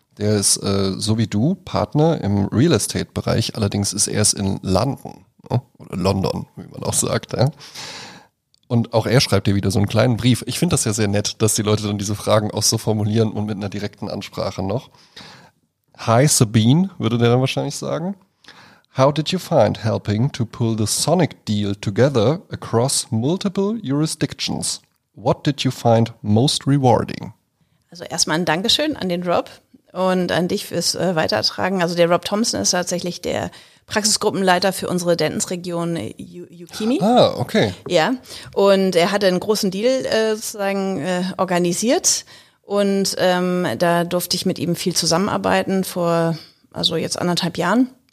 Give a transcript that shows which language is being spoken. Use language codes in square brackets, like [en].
[de] Der ist, so wie du, Partner im Real Estate-Bereich, allerdings ist er es in London, oder London, wie man auch sagt. Ja? Und auch er schreibt dir wieder so einen kleinen Brief. Ich finde das ja sehr nett, dass die Leute dann diese Fragen auch so formulieren und mit einer direkten Ansprache noch. Hi Sabine, würde der dann wahrscheinlich sagen. [en] How did you find helping to pull the Sonic deal together across multiple jurisdictions? What did you find most rewarding? [de] Also erstmal ein Dankeschön an den Rob und an dich fürs Weitertragen. Also der Rob Thompson ist tatsächlich der Praxisgruppenleiter für unsere Dentons-Region Ukimi. Ah, okay. Ja, und er hatte einen großen Deal organisiert und da durfte ich mit ihm viel zusammenarbeiten vor, also jetzt anderthalb Jahren.